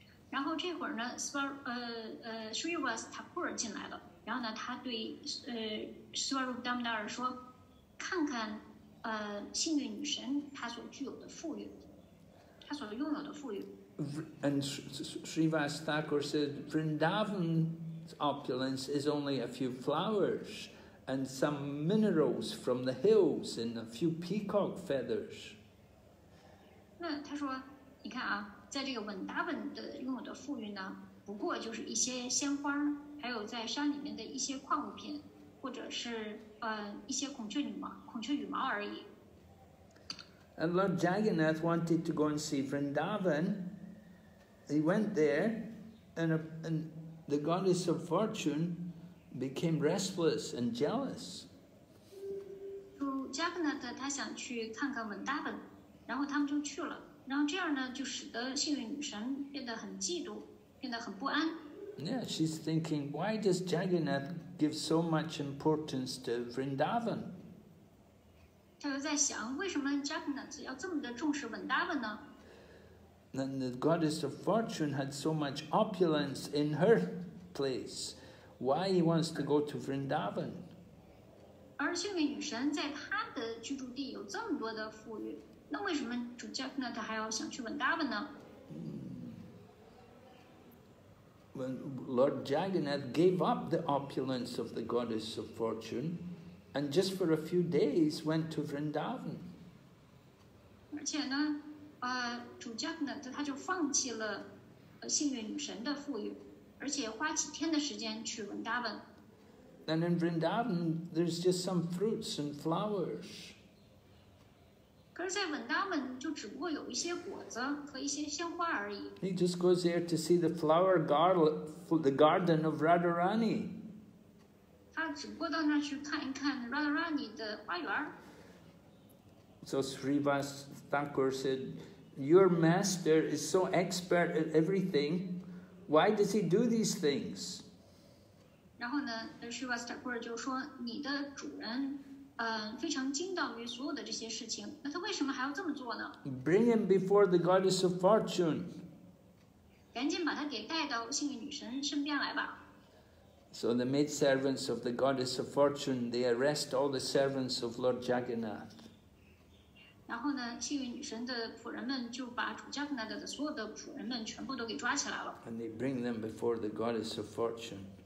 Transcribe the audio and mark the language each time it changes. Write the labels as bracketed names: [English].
[Chinese] 然后这会儿呢 Srivastakur 进来了，然后呢，他对Swarup Damodar 说，看看幸运女神她所具有的富裕，她所拥有的富裕。 [English] And Srivastakur said, Vrindavan's opulence is only a few flowers. And some minerals from the hills and a few peacock feathers. [Chinese] 那他说，你看啊，在这个文达本的拥有的富裕呢，不过就是一些鲜花，还有在山里面的一些矿物品，或者是一些孔雀羽毛而已。 [English] And Lord Jagannath wanted to go and see Vrindavan. He went there, and the goddess of fortune. Became restless and jealous. [Chinese] Jagannath, 他想去看看文达本，然后他们就去了。然后这样呢，就使得幸运女神变得很嫉妒，变得很不安。 [English] Yeah, she's thinking, why does Jagannath give so much importance to Vrindavan? [Chinese] 他就在想，为什么 Jagannath 要这么的重视文达本呢？ [English] Then the goddess of fortune had so much opulence in her place. Why he wants to go to Vrindavan? [Chinese] 而幸运女神在她的居住地有这么多的富裕，那为什么主教呢？他还要想去 Vrindavan 呢？ [English] When Lord Jagannath gave up the opulence of the goddess of fortune, and just for a few days went to Vrindavan. [Chinese] 而且呢，主教呢，他就放弃了幸运女神的富裕。而且花几天的时间去 Vrindavan. [English] And in Vrindavan, there's just some fruits and flowers. [Chinese] 可是在 Vrindavan 就只不过有一些果子和一些鲜花而已。 [English] He just goes there to see the flower garden, the garden of Radharani. [Chinese] 只不过到那去看一看 Radharani 的花园。 [English] So Srivas Thakur said, your master is so expert at everything. Why does he do these things? [Chinese] 然后呢 Srivas Thakur 就说你的主人、非常精到于所有的这些事情那他为什么还要这么做呢 [English] Bring him before the goddess of fortune. [Chinese] 赶紧把他给带到幸运女神身边来吧。 [English] So the maidservants of the goddess of fortune, they arrest all the servants of Lord Jagannath. [Chinese] 然后呢，幸运女神的仆人们就把主加格纳达的所有的仆人们全部都给抓起来了。 [English] And they bring them before the goddess of fortune.